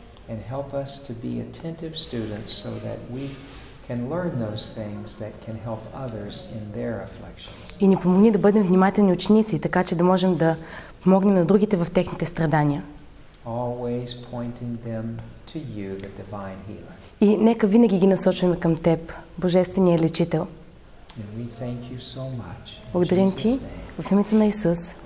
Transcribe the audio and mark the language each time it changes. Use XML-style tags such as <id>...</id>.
<en>And help us to be attentive students so that we can learn those things that can help others in their afflictions.</en> <bg>И ни помогни да бъдем внимателни ученици, така че да можем да помогнем на другите в техните страдания.</bg> <en>Always pointing them to you, the divine healer.</en> <bg>И нека винаги ги насочваме към теб, Божествения лечител.</bg> <en>And we thank you so much.</en> <bg>Благодарим ти в името на Исус.</bg>